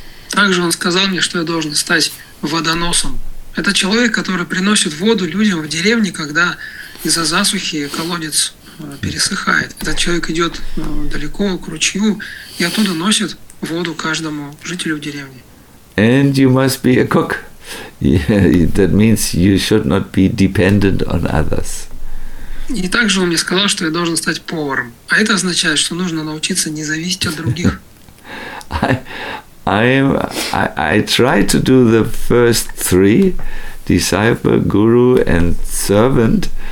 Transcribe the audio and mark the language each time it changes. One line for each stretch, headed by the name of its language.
Russian: Также он сказал мне, что я должен стать водоносом. Это человек, который приносит воду людям в деревне, когда из-за засухи колодец пересыхает. Этот человек идет далеко к ручью и оттуда носит воду каждому жителю деревни.
English: And you must be a cook. Yeah, that means you should not be dependent on others.
Russian: И также он мне сказал, что я должен стать поваром. А это означает, что нужно научиться не зависеть от других.
English: I try to do the first three, disciple, guru, and servant.